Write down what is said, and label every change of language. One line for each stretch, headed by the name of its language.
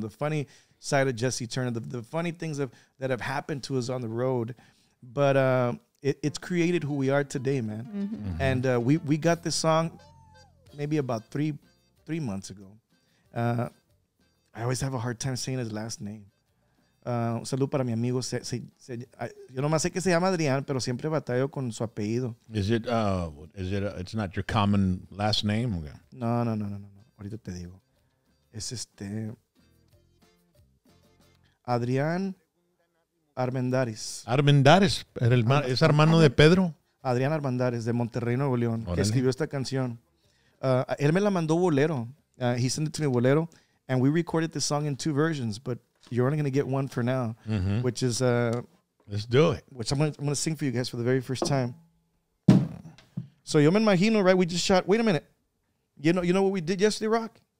English: The funny side of Jesse Turner, the funny things that have happened to us on the road, but it's created who we are today, man. Mm-hmm. Mm-hmm. And we got this song maybe about three months ago. I always have a hard time saying his last name. Salud para mi amigo.
Spanish: Yo no más sé que se llama Adrián, pero siempre batallo con su apellido.
English: It's not your common last name?
Spanish: No. Ahorita te digo. Es este... Adrián Armendáriz. Armendáriz, es hermano de Pedro. Adrián Armendáriz de Monterrey, Nuevo León, que escribió esta canción.
English: Él me la mandó bolero. He sent it to me bolero. And we recorded this song in 2 versions, but you're only going to get one for now, mm-hmm. which is Let's do it. Which I'm gonna sing for you guys for the very first time. So Yo Me Imagino, right? We just shot. Wait a minute. You know what we did yesterday, Rock?